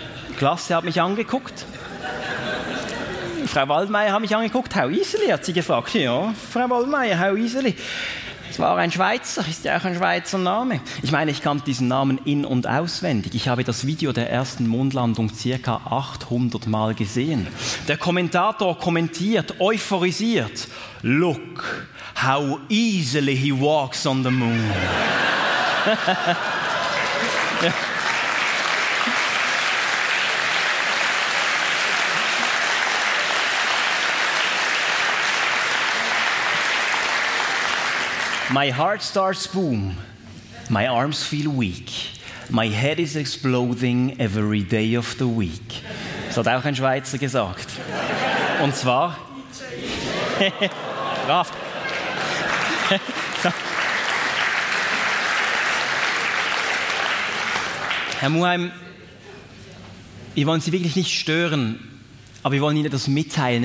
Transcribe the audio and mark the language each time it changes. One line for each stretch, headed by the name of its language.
German: Die Klasse hat mich angeguckt. Frau Waldmeier hat mich angeguckt, Hau Iseli, hat sie gefragt. Ja, Frau Waldmeier, Hau Iseli. Es war ein Schweizer, ist ja auch ein Schweizer Name. Ich meine, ich kannte diesen Namen in- und auswendig. Ich habe das Video der ersten Mondlandung circa 800 Mal gesehen. Der Kommentator kommentiert, euphorisiert.
English: Look, how easily he walks on the moon. Ja. My heart starts boom. My arms feel weak. My head is exploding every day of the week.
German: Das hat auch ein Schweizer gesagt. Und zwar... Brav. Herr Muheim, wir wollen Sie wirklich nicht stören, aber wir wollen Ihnen etwas mitteilen.